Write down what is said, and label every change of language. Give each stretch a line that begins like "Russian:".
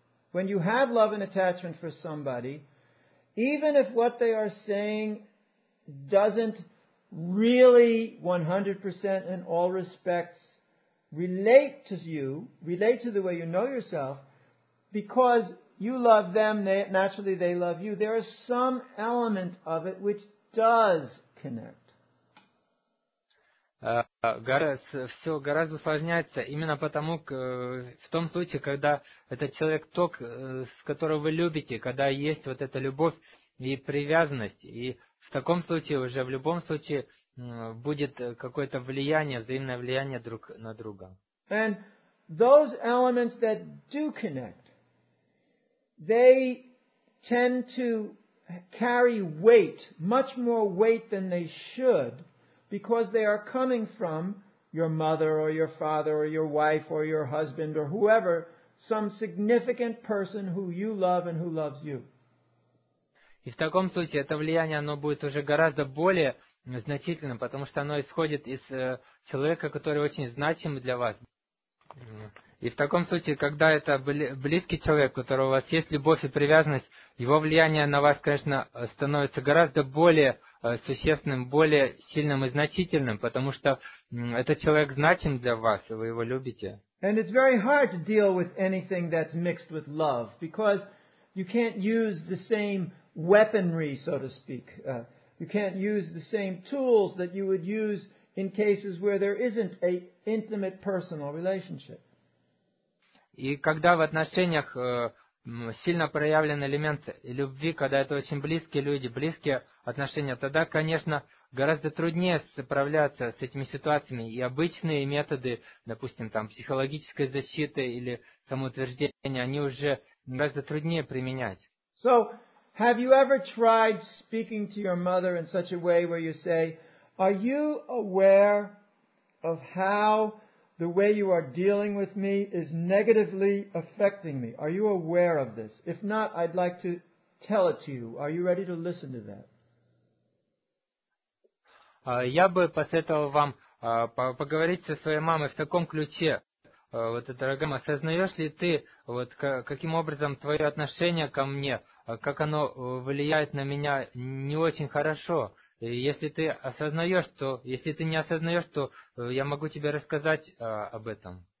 English: When you have love and attachment for somebody, even if what they are saying doesn't really 100% in all respects relate to you, relate to the way you know yourself, because you love them, naturally they love you, there is some element of it which does connect.
Russian: Все гораздо усложняется именно потому, в том случае, когда этот человек тот, с которым вы любите, когда есть вот эта любовь и привязанность, и в таком случае уже в любом случае будет какое-то влияние, взаимное влияние друг на друга.
English: And those elements that do connect, they tend to carry weight, much more weight than they should, because they are coming from your mother or your father or your wife or your husband or whoever, some significant person who you love and who loves you.
Russian: И в таком случае это влияние, оно будет уже гораздо более значительным, потому что оно исходит из человека, который очень значим для вас. И в таком случае, когда это близкий человек, у которого у вас есть любовь и привязанность, его влияние на вас, конечно, становится гораздо более существенным, более сильным и значительным, потому что этот человек значим для вас, и вы его любите.
English: And it's very hard to deal with anything that's mixed with love, because you can't use the same weaponry, so to speak. You can't use the same tools that you would use in cases where there isn't a intimate personal relationship.
Russian: И когда в отношениях сильно проявлен элемент любви, когда это очень близкие люди, близкие отношения, тогда, конечно, гораздо труднее справляться с этими ситуациями. И обычные методы, допустим, там, психологической защиты или самоутверждения, они уже гораздо труднее применять.
English: So, have you ever tried speaking to your mother in such a way where you say, are you aware of how the way you are dealing with me is negatively affecting me? Are you aware of this? If not, I'd like to tell it to you. Are you ready to listen to that?
Russian: Я бы посоветовал вам поговорить со своей мамой в таком ключе. Вот, дорогая мама, осознаешь ли ты, вот, каким образом твое отношение ко мне, как оно влияет на меня не очень хорошо? Если ты осознаешь, то, если ты не осознаешь, то я могу тебе рассказать об этом.